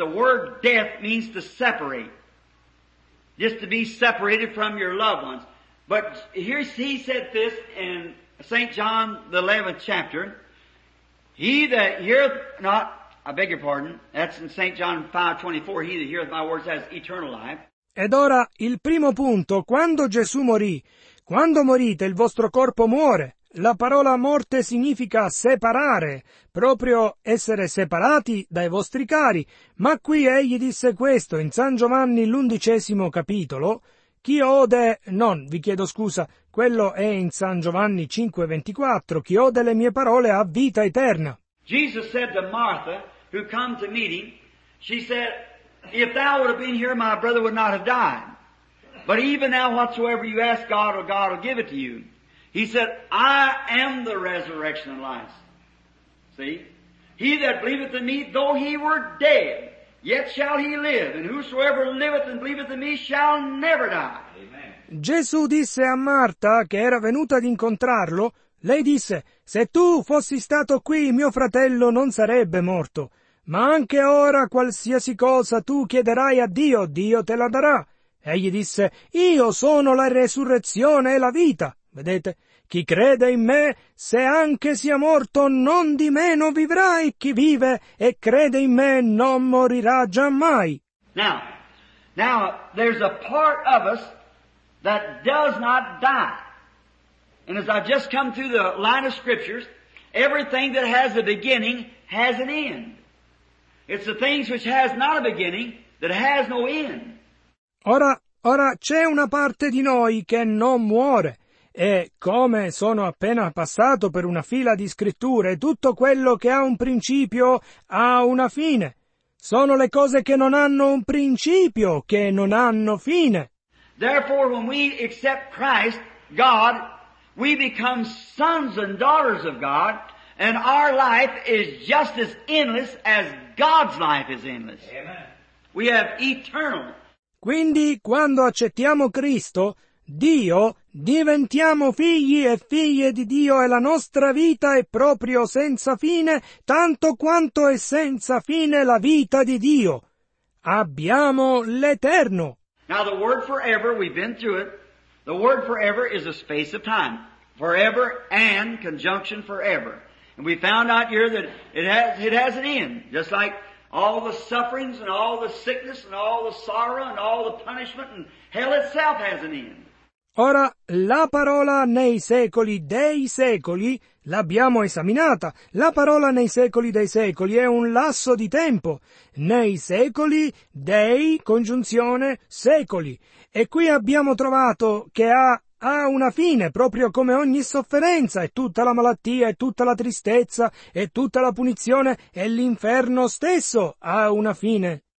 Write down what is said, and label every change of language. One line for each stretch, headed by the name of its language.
English: The word death means to separate. Just to be separated from your loved ones. But here he said this in St. John, the 11th chapter. He that heareth not, I beg your pardon, that's in St. John 5:24, he that heareth my words has eternal life.
Italian: Ed ora, il primo punto, quando Gesù morì, quando morite, il vostro corpo muore. La parola morte significa separare, proprio essere separati dai vostri cari. Ma qui egli disse questo in San Giovanni l'undicesimo capitolo. Chi ode, non, vi chiedo scusa, quello è in San Giovanni 5:24, chi ode le mie parole ha vita eterna.
English: Jesus said to Martha, who come to meet him, she said, if thou would have been here, my brother would not have died. But even now, whatsoever you ask God, or God will give it to you. He said, I am the resurrection and life. See? He that believeth in me, though he were dead, yet shall he live. And whosoever liveth and believeth in me shall never die. Amen.
Italian: Gesù disse a Marta, che era venuta ad incontrarlo, lei disse, se tu fossi stato qui, mio fratello non sarebbe morto. Ma anche ora, qualsiasi cosa tu chiederai a Dio, Dio te la darà. Egli disse, io sono la resurrezione e la vita. Vedete, chi crede in me, se anche sia morto, non di meno vivrà, e chi vive e crede in me non morirà giammai.
English: Now, there's a part of us that does not die. And as I've just come through the line of scriptures, everything that has a beginning has an end. It's the things which has not a beginning that has no end.
Italian: Ora c'è una parte di noi che non muore. E come sono appena passato per una fila di scritture, tutto quello che ha un principio ha una fine. Sono le cose che non hanno un principio che non hanno fine.
English: Therefore, when we accept Christ, God, we become sons and daughters of God, and our life is just as endless as God's life is endless. Amen. We have eternal.
Italian: Quindi, quando accettiamo Cristo, Dio, diventiamo figli e figlie di Dio e la nostra vita è proprio senza fine, tanto quanto è senza fine la vita di Dio. Abbiamo l'eterno.
English: Now the word forever, we've been through it, the word forever is a space of time. Forever and conjunction forever. And we found out here that it has an end, just like all the sufferings and all the sickness and all the sorrow and all the punishment and hell itself has an end.
Italian: Ora, la parola nei secoli dei secoli l'abbiamo esaminata. La parola nei secoli dei secoli è un lasso di tempo. Nei secoli, dei, congiunzione, secoli. E qui abbiamo trovato che ha una fine, proprio come ogni sofferenza, e tutta la malattia, e tutta la tristezza, e tutta la punizione, e l'inferno stesso ha una fine.